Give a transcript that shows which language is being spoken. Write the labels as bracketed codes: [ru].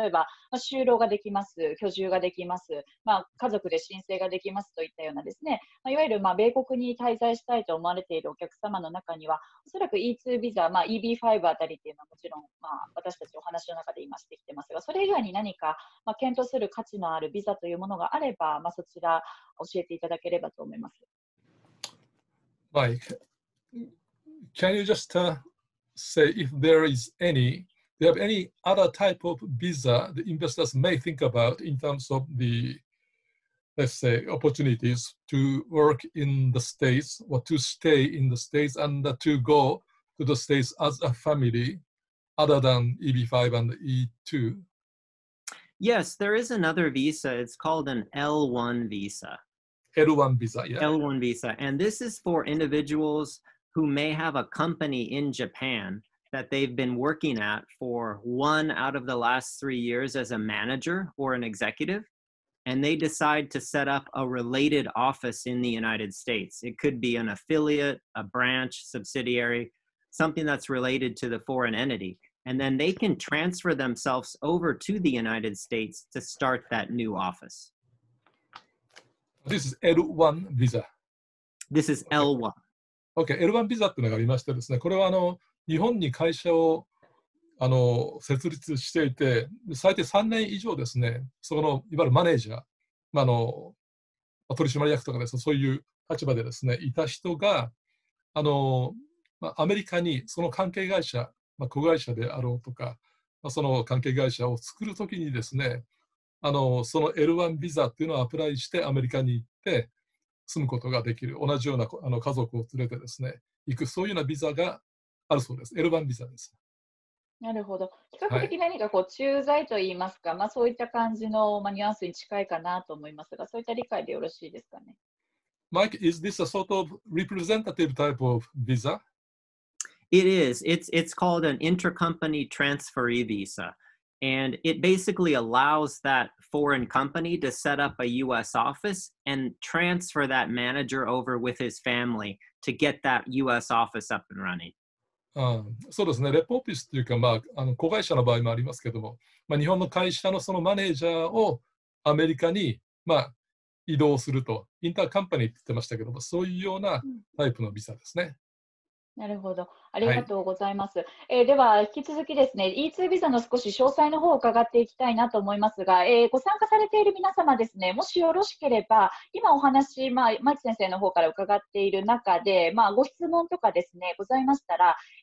[ja] 例えば、まあ、就労ができます、居住ができます、まあ、家族で申請ができますといったようなですね、まあ、いわゆる、まあ、米国に滞在したいと思われているお客様の中にはおそらく E2 ビザ、まあ、EB5 あたりというのはもちろん、まあ、私たちお話の中で今してきてますが、それ以外に何か、まあ、検討する価値のあるビザというものがあれば、まあ、そちら教えていただければと思います。 [en] はい、Can you just say if there is any, do you have any other type of visa the investors may think about in terms of the, let's say, opportunities to work in the States or to stay in the States and to go to the States as a family other than EB5 and E2? Yes, there is another visa. It's called an L1 visa. L1 visa, yeah. L1 visa. And this is for individuals who may have a company in Japan that they've been working at for one out of the last 3 years as a manager or an executive, and they decide to set up a related office in the United States. It could be an affiliate, a branch, subsidiary, something that's related to the foreign entity. And then they can transfer themselves over to the United States to start that new office. This is L1 visa. This is L1. [ja] Okay, L1 ビザというのがありましてですね、これは日本に会社を設立していて、最低3年以上ですね、そのいわゆるマネージャー、まあ、取締役とかですね、そういう立場でですね、いた人がまあ、アメリカにその関係会社、まあ、子会社であろうとか、まあ、その関係会社を作るときにですね、その L1 ビザというのをアプライしてアメリカに行って、住むことができる、同じような家族を連れてですね、行く、そういうようなビザがあるそうです。 L1 ビザです。なるほど。比較的何かこう、駐在といいますか、はい、まあ、そういった感じの、まあ、ニュアンスに近いかなと思いますが、そういった理解でよろしいですかね。 [en] Mike, is this a sort of representative type of visa? It is. It's called an intercompany transferee visa. And it basically allows that foreign company to set up a U.S. office and transfer that manager over with his family to get that U.S. office up and running. [ja] そうですね。レポオフィスというか、まあ、子会社の場合もありますけども、まあ、日本の会社のそのマネージャーをアメリカに、まあ、移動すると、インターカンパニーって言ってましたけども、そういうようなタイプのビザですね。なるほど、ありがとうございます、はい。では引き続きですね、E2 ビザの少し詳細の方を伺っていきたいなと思いますが、ご参加されている皆様ですね、もしよろしければ今お話、まあ、マイク先生の方から伺っている中で、まあ、ご質問とかですねございましたら、